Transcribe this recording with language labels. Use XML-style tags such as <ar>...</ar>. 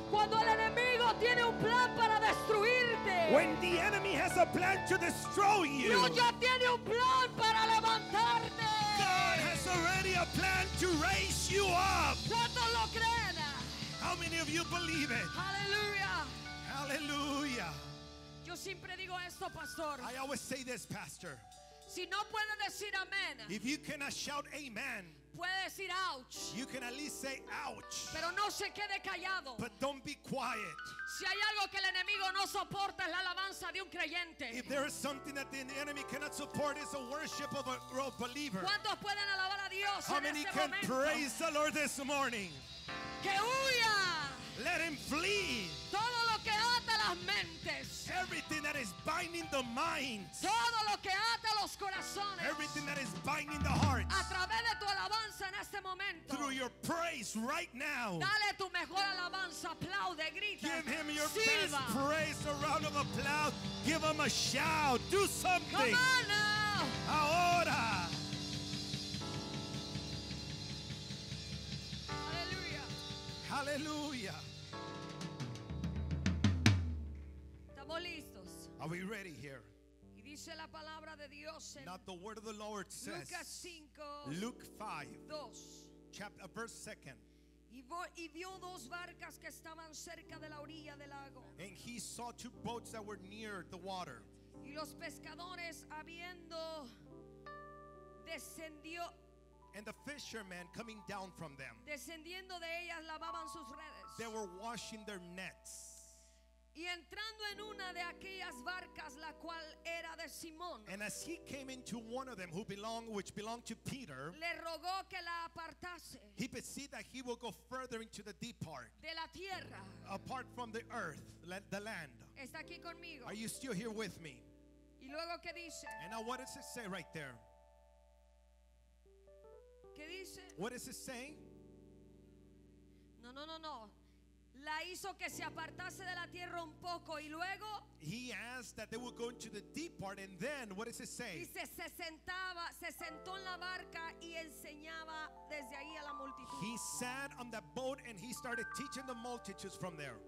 <es>Cuando el enemigo tiene un plan para destruirte.</es> <en>When the enemy has a plan to destroy you.</en> <es>Dios ya tiene un plan para levantarte.</es> <en>God has already a plan to raise you up.</en> <es>¿Cuántos lo creen?</es> <en>How many of you believe it? Hallelujah. Hallelujah.</en> <es>Yo siempre digo esto, pastor.</es> <en>I always say this, pastor.</en> <es>Si no puede decir amén.</es> <en>If you cannot shout amen.</en> <es>Puede decir ouch.</es> <en>You can at least say ouch.</en> <es>Pero no se quede callado.</es> <en>But don't be quiet.</en> <es>Si hay algo que el enemigo no soporta es la alabanza de un creyente.</es> <en>If there is something that the enemy cannot support is the worship of a believer.</en> <es>¿Cuántos pueden alabar a Dios?</es> <en>How many can praise the Lord this morning?</en> <es>Que huya.</es> <en>Let him flee.</en> <es>Todo lo que ata las mentes.</es> <en>Everything that is binding the minds.</en> <es>Todo lo que ata los corazones.</es> <en>Everything that is binding the hearts.</en> <es>A través de tu alabanza en este momento.</es> <en>Through your praise right now.</en> <es>Dale tu mejor alabanza, aplaude, grita.</es> <en>Give him your</en> <es>silba.</es> <en>Best praise, a round of applause. Give him a shout. Do something. Come on now.</en> <es>Ahora. Aleluya. Estamos listos.</es> <en>Are we ready here?</en> <es>Y dice la palabra de Dios en</es> <en>not the word of the Lord says.</en> <es>Lucas 5.</es> <en>Luke 5. 2. Chapter verse 2nd.</en> <es>Y vio dos barcas que estaban cerca de la orilla del lago.</es> <en>And he saw two boats that were near the water.</en> <es>Y los pescadores habiendo descendió</es> <en>and the fishermen coming down from them.</en> <es>Descendiendo de ellas, lavaban sus redes.</es> <en>They were washing their nets.</en> <es>Y entrando en una de aquellas barcas, la cual era de Simón.</es> <en>And as he came into one of them, which belonged to Peter,</en> <es>le rogó que la apartase.</es> <en>He perceived that he would go further into the deep part.</en> <es>De la tierra.</es> <en>Apart from the earth, the land.</en> <es>Está aquí conmigo.</es> <en>Are you still here with me?</en> <es>Y luego, ¿qué dice?</es> <en>And now what does it say right there?</en> <es>¿Qué dice?</es> <en>What is it saying?</en> <es>No. La hizo que se apartase de la tierra un poco y luego.</es> <en>He asked that they would go into the deep part, and then what does it say?</en> <es>Dice, se sentó en la barca y enseñaba desde ahí a la multitud.</es> <en>He sat on the boat and he started teaching the multitudes from there.</en>